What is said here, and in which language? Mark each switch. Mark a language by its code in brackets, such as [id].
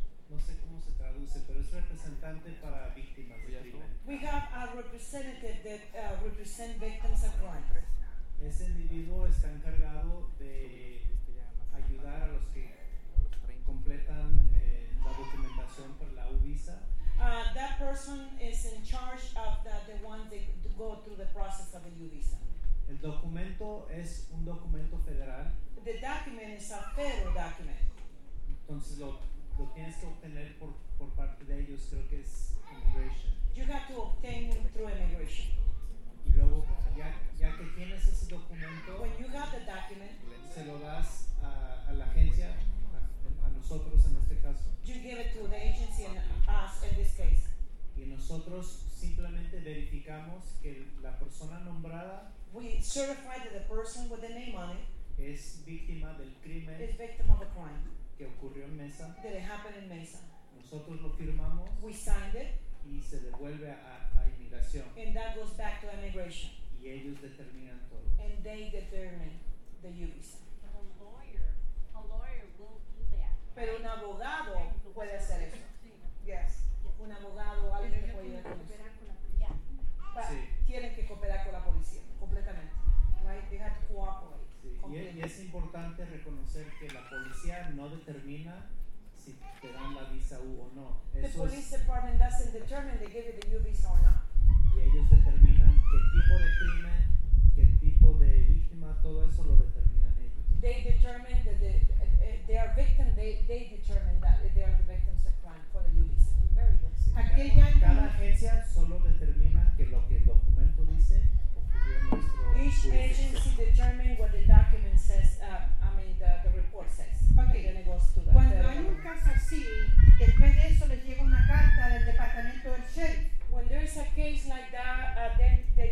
[es] No sé cómo se traduce, pero es representante para víctimas de crimen. [en] We have a representative that represents victims of crime. [es] Ese individuo está encargado de ayudar a los que completan la documentación por la U visa. [en] That person is in charge of the one that go through the process of the U visa. [es] El documento es un documento federal. [en] The document is a federal document. [es] Entonces lo tienes que obtener por parte de ellos, creo que es immigration. [en] You have to obtain it through immigration. [es] Y luego, ya que tienes ese documento, [en] when you have the document, [es] se lo das a la agencia, a nosotros en este caso. [en] You give it to the agency and us in this case. [es] Y nosotros simplemente verificamos que la persona nombrada, [en] we certify that the person with the name on it, [es] es víctima del crimen, [en] is victim of a crime. [es] Que ocurrió en Mesa. [en] That it happened in Mesa. [es] Nosotros lo firmamos. [en] We signed it. [es] Y se devuelve a inmigración. [en] And that goes back to immigration. [es] Y ellos determinan todo. [en] And they determine the U visa. A lawyer will do that. [es] Pero un abogado puede hacer eso. [en] Yes. [es] Un abogado, alguien que puede cooperar con la policía. Sí. Tienen que cooperar con la policía, completamente. [en] Right? They have to cooperate. [es] Sí. Y es importante reconocer que la policía no determina si te dan la visa U o no. [en] The police department doesn't determine they give you the U visa or not. [es] Y ellos determinan qué tipo de crimen, qué tipo de víctima, todo eso lo determinan ellos. [en] They determine that they are victim, they determine that they are the victims of crime for the U visa. Very good. [es] Sí. Aquella cada agencia solo determina que lo que el documento dice. [en] Each agency determines what the document says, the report says. Okay. Then it goes to the [es] cuando hay un caso así, después de eso les llega una carta del departamento del sheriff. [en] When there is a case like that, then